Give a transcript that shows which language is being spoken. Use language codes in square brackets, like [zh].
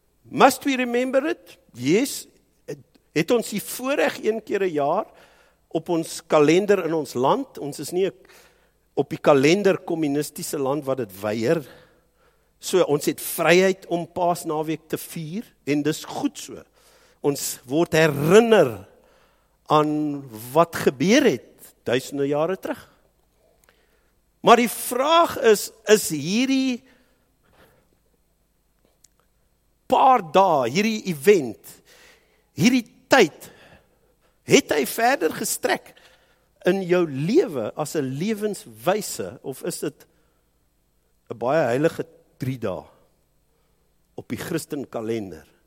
[en] Must we remember it? Yes. [af] Het ons die voorreg een keer 'n jaar op ons kalender in ons land? Ons is nie op die kalender kommunistiese land wat dit weier. So, ons het vryheid om Paasnaweek te vier en dis goed so. Ons word herinner aan wat gebeur het duisende jare terug. Maar die vraag is hierdie paar dae, hierdie event, hierdie tyd, het hy verder gestrek in jou lewe as 'n lewenswyse of is dit 'n baie heilige 3 dae op die Christen kalender?